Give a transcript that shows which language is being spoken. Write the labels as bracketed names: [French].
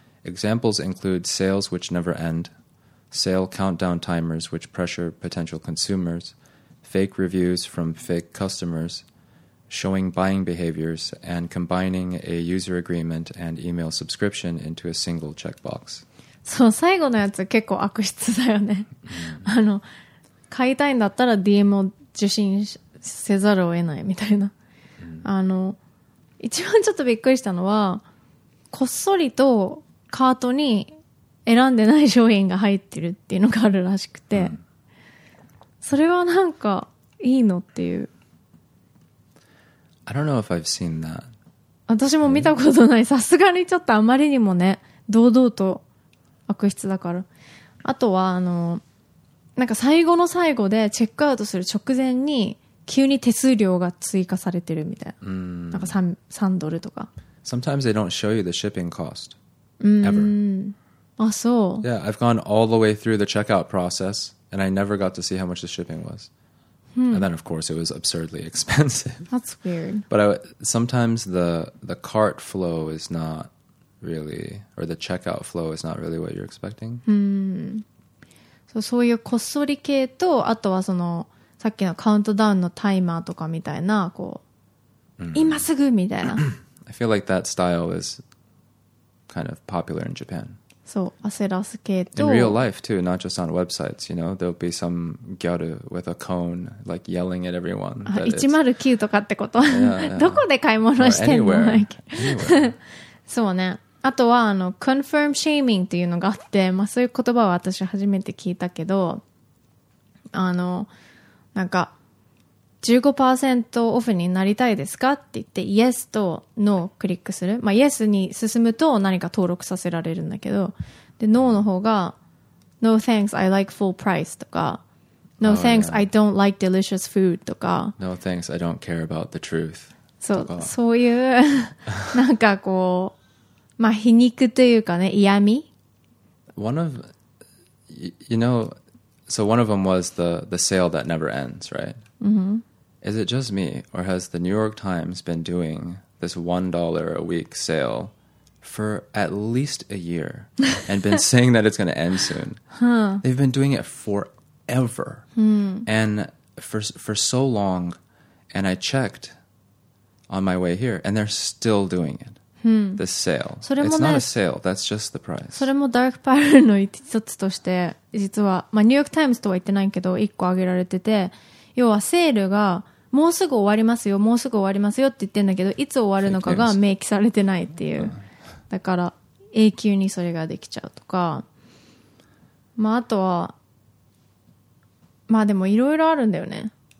[English] Examples include sales which never end, sale countdown timers which pressure potential consumers, fake reviews from fake customers,showing buying behaviors and combining a user agreement and email subscription into a single checkbox. [Japanese] そう、最後のやつ結構悪質だよね。あの、買いたいんだったら DM を受信せざるを得ないみたいな。あの、一番ちょっとびっくりしたのは、こっそりとカートに選んでない商品が入ってるっていうのがあるらしくて、それはなんかいいのっていう。 [English] I don't know if I've seen that. [Japanese] 私も見たことない。さすがにちょっとあまりにもね、堂々と悪質だから。あとは、あの、なんか最後の最後でチェックアウトする直前に急に手数料が追加されてるみたいな。なんか 3ドルとか。 [English] Sometimes they don't show you the shipping cost. [Japanese] Ever. あ、そう。 [English] Yeah, I've gone all the way through the checkout process and I never got to see how much the shipping was. And then, of course, it was absurdly expensive. That's weird. But sometimes the cart flow is not really, or the checkout flow is not really what you're expecting. [Japanese] So, そういうこっそり系と、あとはその、さっきのカウントダウンのタイマーとかみたいな、こう、今すぐみたいな。 [English] I feel like that style is kind of popular in Japan. [Japanese] そう、焦らす系と。 [English] In real life too, not just on websites, you know, there'll be some ギャル with a cone, like yelling at everyone. [Japanese] 109とかってこと [English] yeah, yeah. [Japanese] どこで買い物してんの [English] anywhere. anywhere. [Japanese] そうね。あとは、confirm shaming っていうのがあって、まあそういう言葉は私初めて聞いたけど、なんか、15% オフになりたいですかって言って Yes と No をクリックする。まあ Yes に進むと何か登録させられるんだけど、で No の方が [English] No thanks I like full price [Japanese] とか [English] No thanks、oh, yeah. I don't like delicious food [Japanese] とか [English] No thanks I don't care about the truth [Japanese] とか、そういうなんかこうまあ皮肉というかね、嫌味。 [English] One of you know, so one of them was the sale that never ends, right? Mm-hmm. Is it just me, or has the New York Times been doing this $1 a week sale for at least a year and been saying that it's going to end soon? Huh. They've been doing it forever、 mm. and for so long, and I checked on my way here, and they're still doing it,、 mm. this sale. [Japanese] それもね、 [English] it's not a sale, that's just the price. [Japanese] それもダークパールの一つとして、実は、まあ、New York Times とは言ってないけど、一個挙げられてて、要はセールがもうすぐ終わりますよ、もうすぐ終わりますよって言ってんだけど、いつ終わるのかが明記されてないっていう。だから永久にそれができちゃうとか。まああとは、まあでもいろいろあるんだよね。